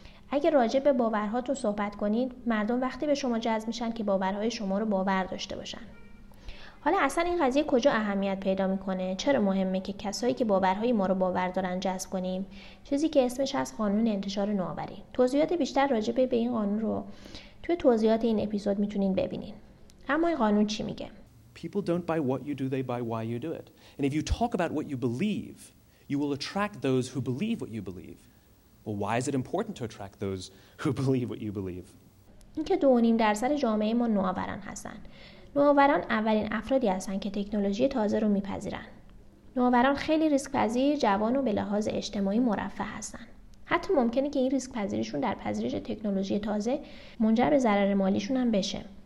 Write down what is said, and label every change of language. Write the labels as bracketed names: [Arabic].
[Persian] اگه راجع به باورهاتون صحبت کنید، مردم وقتی به شما جذب میشن که باورهای شما رو باور داشته باشن. حالا اصلا این قضیه کجا اهمیت پیدا میکنه؟ چرا مهمه که کسایی که باورهای ما رو باور دارن جذب کنیم؟ چیزی که اسمش از قانون انتشار نوآوری. توضیحات بیشتر راجع به این قانون رو توی توضیحات این اپیزود میتونین ببینین. اما این قانون چی میگه؟ [English] People don't buy what you do, they buy why you do it. And if you talk about what you believe, you will attract those who believe what you believe. Well, why is it important to attract those who believe what you believe? [Persian] اینکه 2.5% جامعه ما نوآوران هستن. نوآوران اولین افرادی هستند که تکنولوژی تازه رو میپذیرن. نوآوران خیلی ریسک پذیر، جوان و به لحاظ اجتماعی مرفه هستند. حتی ممکنه که این ریسک پذیریشون در پذیرش تکنولوژی تازه منجر به ضرر مالیشون هم بشه.